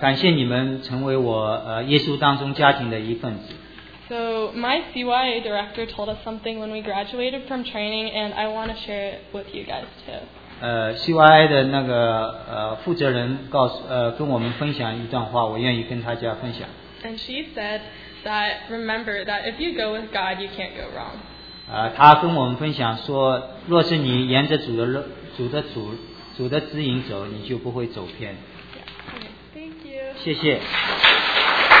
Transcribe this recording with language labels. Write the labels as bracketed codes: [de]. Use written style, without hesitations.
[zh] 感谢你们成为我, 耶稣当中家庭的一份子。 [en] So my CYA director told us something when we graduated from training, and I want to share it with you guys too. [zh] CYA的那个, 负责人告诉, 跟我们分享一段话, 我愿意跟大家分享。 [en] And she said that, remember that if you go with God, you can't go wrong. [zh] 她跟我们分享说, 若是你沿着主的指引走, 你就不会走偏。 [en] Thank you. [zh] 谢谢。